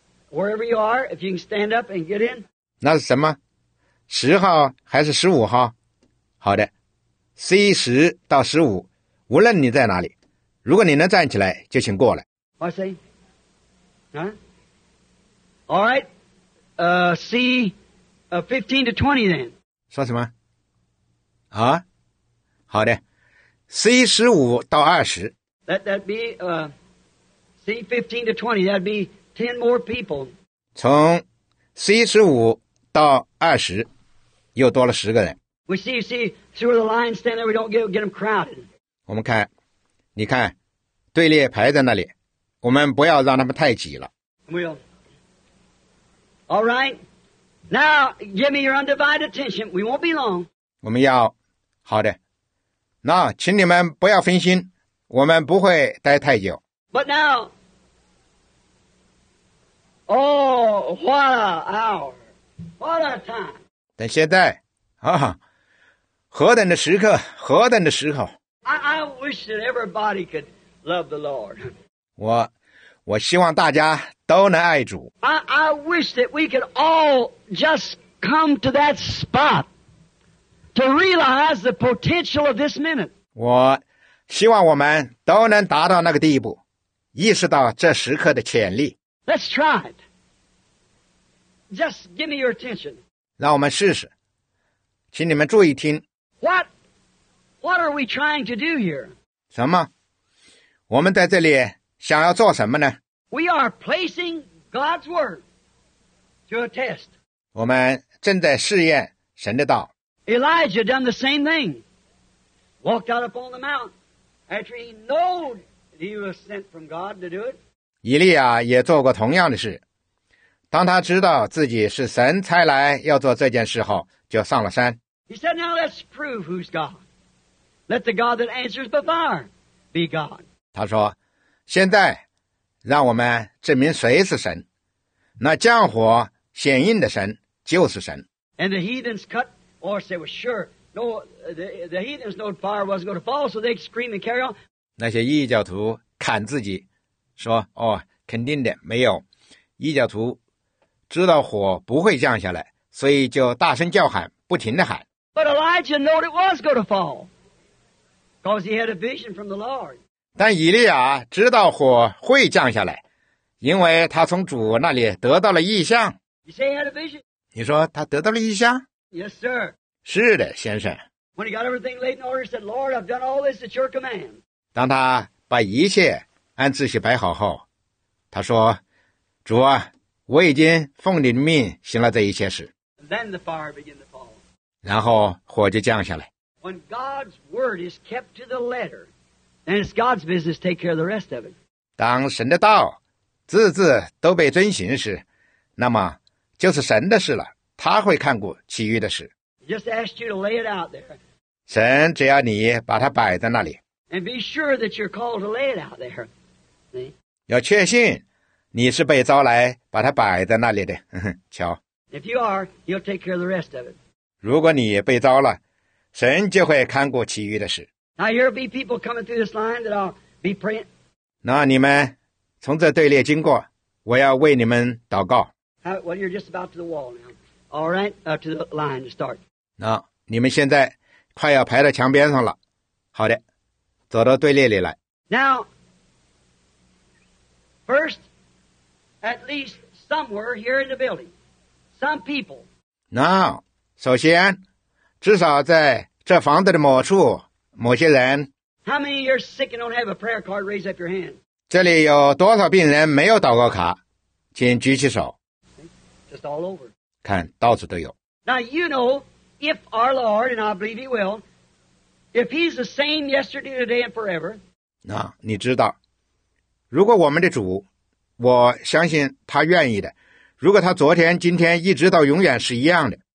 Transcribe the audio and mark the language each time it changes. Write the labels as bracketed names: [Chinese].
[English] Wherever you are, if you can stand up and get in. [Chinese] 那是什么？十号还是十五号？好的。 C 十到十五，无论你在哪里，如果你能站起来，就请过来。 [English] I say, huh? All right, C, 15 to 20 then. [Chinese] 说什么？啊？好的 ，C 十五到二十。 [English] That be, C 15 to 20. That'd be 10 more people. [Chinese] 从 C 十五到二十，又多了十个人。 [English] We see through the lines stand there. We don't get them crowded. [Chinese] 我们看，你看，队列排在那里，我们不要让他们太挤了。 [English] We'll. All right. Now, give me your undivided attention. We won't be long. [Chinese] 我们要，好的。那请你们不要分心，我们不会待太久。 [English] But now, oh, what a hour! What a time! [Chinese] 但现在，啊。何等的时刻，何等的时候 [English] ！I wish that everybody could love the Lord. [Chinese] 我希望大家都能爱主。 [English] I wish that we could all just come to that spot to realize the potential of this minute. [Chinese] 我希望我们都能达到那个地步，意识到这时刻的潜力。 [English] Let's try it. Just give me your attention. [Chinese] 让我们试试，请你们注意听。 [English] What are we trying to do here? [Chinese] 什么？我们在这里想要做什么呢 [English] ？We are placing God's word to a test. [Chinese] 我们正在试验神的道。 [English] Elijah done the same thing. Walked out upon the mount after he knew that he was sent from God to do it. [Chinese] 以利亚也做过同样的事。当他知道自己是神差来要做这件事后，就上了山。 [English] He said, "Now let's prove who's God. Let the God that answers before be God." [Chinese] 他说，现在让我们证明谁是神。那降火显应的神就是神。 [English] And the heathens cut, or say, "Well, sure, no." The heathens know fire wasn't going to fall, so they scream and carry on. [Chinese] 那些异教徒砍自己，说，哦，肯定的，没有。异教徒知道火不会降下来，所以就大声叫喊。不停地喊。 [English] But Elijah knew it was going to fall, because he had a vision from the Lord. [Chinese] 但以利亚知道火会降下来，因为他从主那里得到了异象。 [English] You say he had a vision? [Chinese] 你说他得到了异象 [English] ？Yes, sir. [Chinese] 是的，先生。 [English] When he got everything laid in order, he said, "Lord, I've done all this at your command." [Chinese] 当他把一切按秩序摆好后，他说：“主啊，我已经奉你的命行了这一切事。” [English] Then the fire began to [Chinese] 然后火就降下来。 [English] When God's word is kept to the letter, then it's God's business to take care of the rest of it. [Chinese] 当神的道字字都被遵行时，那么就是神的事了，他会看顾其余的事。 [English] Just asked you to lay it out there. [Chinese] 神只要你把它摆在那里。 [English] And be sure that you're called to lay it out there. [Chinese] 要确信你是被招来把它摆在那里的。瞧。 [English] If you are, he'll take care of the rest of it. [Chinese] 如果你被招了，神就会看顾其余的事。 [English] Now here'll be people coming through this line that I'll be praying. [Chinese] 那你们从这队列经过，我要为你们祷告。 [English] Well, you're just about to the wall now. All right, to the line to start. [Chinese] 那你们现在快要排到墙边上了。好的，走到队列里来。 [English] Now, first, at least somewhere here in the building, some people. Now. [Chinese] 首先，至少在这房子的某处，某些人。 [English] How many of you are sick and don't have a prayer card? Raise up your hand. [Chinese] 这里有多少病人没有祷告卡？请举起手。 [English] Just all over. [Chinese] 看到处都有。 [English] Now you know, if our Lord, and I believe He will, if He's the same yesterday, today, and forever. [Chinese] 那你知道，如果我们的主，我相信他愿意的。如果他昨天、今天一直到永远是一样的。